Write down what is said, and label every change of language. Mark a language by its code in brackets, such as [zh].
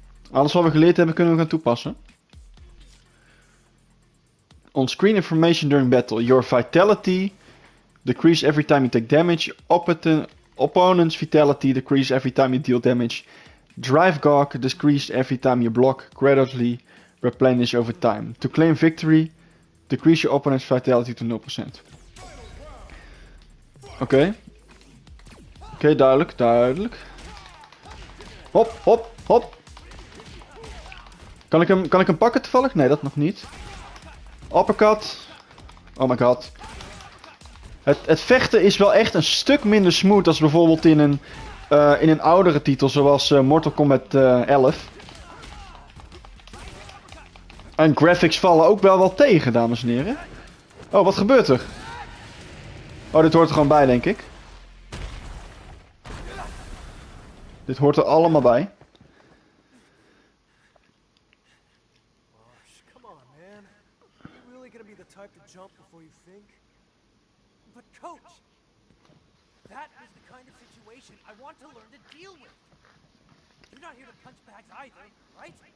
[nl] Alles wat we geleerd hebben kunnen we gaan toepassen. [en] On-screen information during battle. Your vitality decreases every time you take damage. Opponent's vitality decreases every time you deal damage. Drive gawk decreases every time you block. Gradually replenish over time. To claim victory, decrease your opponent's vitality to 0%. [nl] Oké. Oké, duidelijk, duidelijk. Hop, hop, hop. Kan ik hem pakken toevallig? Nee, dat nog niet. Uppercut. [en] Oh my god. [nl] Het vechten is wel echt een stuk minder smooth als bijvoorbeeld in een oudere titel zoals Mortal Kombat 11. En graphics vallen ook wel wat tegen, dames en heren. Oh, wat gebeurt er? Oh, dit hoort er gewoon bij, denk ik. Dit hoort er allemaal bij. [en] Come on, man. You really gonna be the type to jump before you think? But coach, that is the kind of situation I want to learn to deal with. You're not here to punch bags either, right?